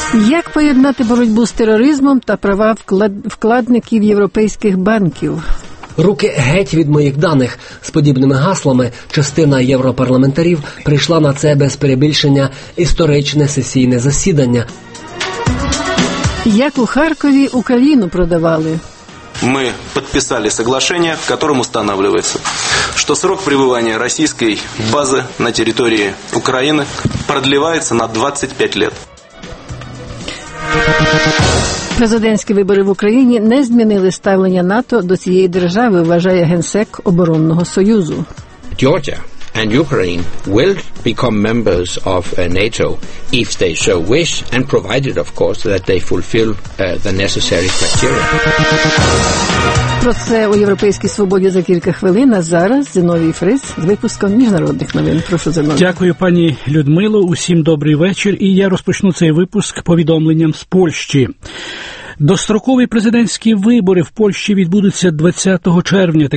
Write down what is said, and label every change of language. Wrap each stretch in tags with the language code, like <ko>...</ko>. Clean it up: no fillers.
<uk>Як поєднати боротьбу з тероризмом та права вкладників європейських банків? Руки геть від моїх даних. З подібними гаслами частина європарламентарів прийшла на це без перебільшення історичне сесійне засідання. Як у Харкові Україну продавали?</uk> <ru>Мы подписали соглашение, в котором устанавливается, что срок пребывания российской базы на территории Украины продлевается на 25 лет.</ru> <uk>Президентські вибори в Україні не змінили ставлення НАТО до цієї держави, вважає генсек оборонного союзу.</uk> <en>Georgia and Ukraine will become members of NATO if they so wish and provided of course that they fulfill the necessary criteria.</en> <uk>Про це у європейській свободі за кілька хвилин, а зараз Зіновій Фріс з випуском міжнародних новин. Прошу, Зіновій. Дякую, пані Людмило. Усім добрий вечір. І я розпочну цей випуск повідомленням з Польщі. Дострокові президентські вибори в Польщі відбудуться 20 червня.</uk>